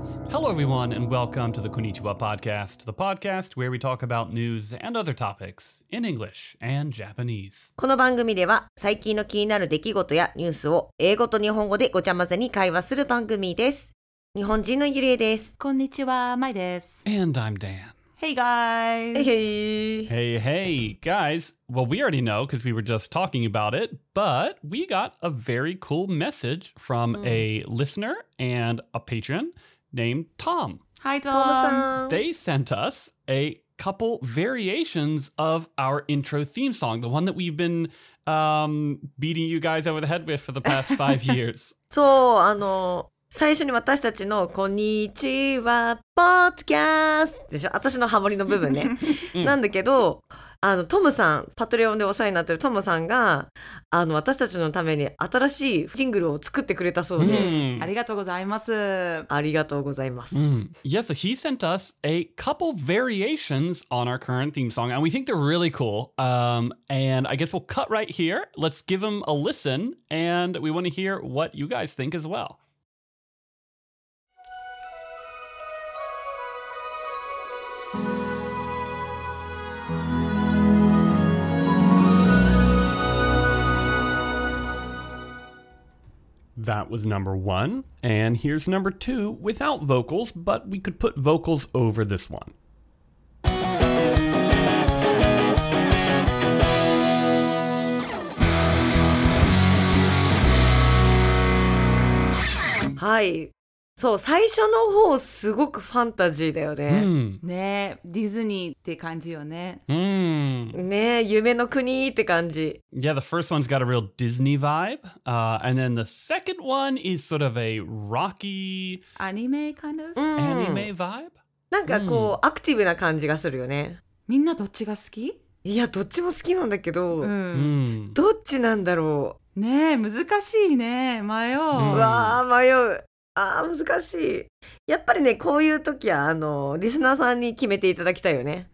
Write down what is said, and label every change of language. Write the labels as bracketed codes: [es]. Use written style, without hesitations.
[en] Hello, everyone, and welcome to the Konnichiwa Podcast, the podcast where we talk about news and other topics in English and Japanese. [ja] この番組では最近の気になる出来事やニュースを英語と日本語でごちゃ混ぜに会話する番組です。日本人のゆりえです。こんにちは、まいです。 [en] And I'm Dan. Hey, guys. Hey, guys. Well, we already know because we were just talking about it, but we got a very cool message from a listener and a patron named Tom. Hi, Tom. They sent us a couple variations of our intro theme song, the one that we've been beating you guys over the head with for the past 5 years. [ja] So, 最初に私たちのこんにちはポッドキャストでしょ、私のハモリの部分ね。なんだけど、トムさん、パトレオンでお世話になってるトムさんが、私たちのために新しいジングルを作ってくれたそうで、ありがとうございます。ありがとうございます。 [en] Yes, so he sent us a couple variations on our current theme song, and we think they're really cool. And I guess we'll cut right here. Let's give them a listen, and we want to hear what you guys think as well. That was number one, and here's number two without vocals, but we could put vocals over this one. [ja] はい、そう、最初の方すごくファンタジーだよね。ね、ディズニーって感じよね。ね、夢の国って感じ。 [en] Yeah, the first one's got a real Disney vibe. And then the second one is sort of a rocky... アニメ kind of? アニメ vibe? [ja] なんかこう、アクティブな感じがするよね。みんなどっちが好き？いや、どっちも好きなんだけど、どっちなんだろう。ね、難しいね。迷う。うわー、迷う。あ、難しい。やっぱりね、こういう時はリスナーさんに決めていただきたいよね。